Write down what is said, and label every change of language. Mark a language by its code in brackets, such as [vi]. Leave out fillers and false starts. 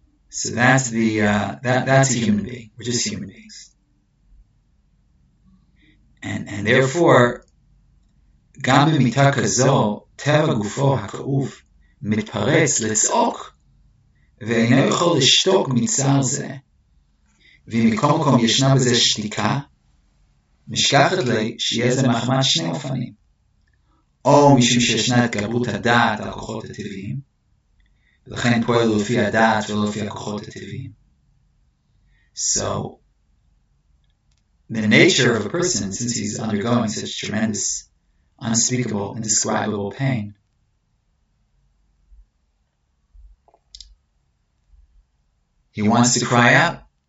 [en] So that's the that's a human being. We're just human beings. And therefore, [he] גם במיטה כזו, טבע גופו הכאוב מתפרץ לצעוק, ואינו יכול לשתוק מצער זה. ומכל מקום ישנה בזה שתיקה, משכחת לי שיהיה זה מחמת שני אופנים. או משום שישנה את גברות הדעת על הכוחות הטבעיים, ולכן פועל לפי הדעת ולא לפי הכוחות הטבעיים. [en] So, the nature of a person, since he's undergoing such tremendous, unspeakable, indescribable pain, He wants to cry out.